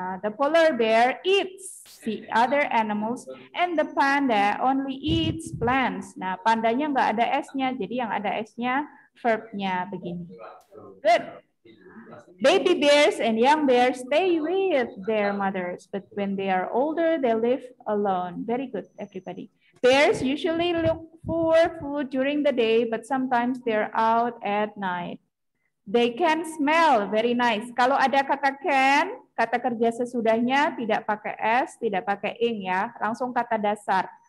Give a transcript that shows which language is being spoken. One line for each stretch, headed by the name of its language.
English: The polar bear eats the other animals, and the panda only eats plants.
Indonesian: Nah, pandanya nggak ada s-nya, jadi yang ada s-nya verb-nya begini.
English: Good. Baby bears and young bears stay with their mothers, but when they are older, they live alone. Very good, everybody. Bears usually look for food during the day, but sometimes they're out at night. They can smell very nice.
Indonesian: Kalau ada kata can, kata kerja sesudahnya tidak pakai s, tidak pakai ing ya, langsung kata dasar.